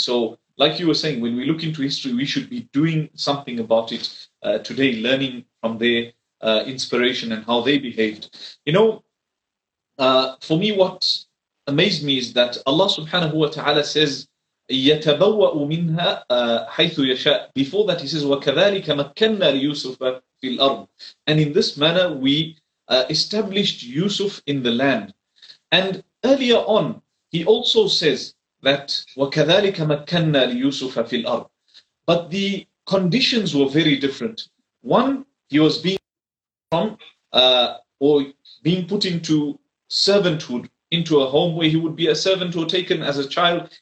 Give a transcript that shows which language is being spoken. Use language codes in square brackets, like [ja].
[en] So like you were saying, when we look into history, we should be doing something about it today, learning from their inspiration and how they behaved. You know, for me, what amazed me is that Allah subhanahu wa ta'ala says, [ar] يَتَبَوَّأُ مِنْهَا حَيْثُ يَشَاءُ. [en] Before that, he says, [ar] وَكَذَلِكَ مَكَّنَّا لِيُوسُفَ فِي الْأَرْضِ. [en] And in this manner, we established Yusuf in the land. And earlier on, he also says that, [ar] وَكَذَلِكَ مَكَّنَّا لِيُوسُفَ فِي الْأَرْضِ. [en] But the conditions were very different. One, he was being put into servanthood, into a home where he would be a servant or taken as a child.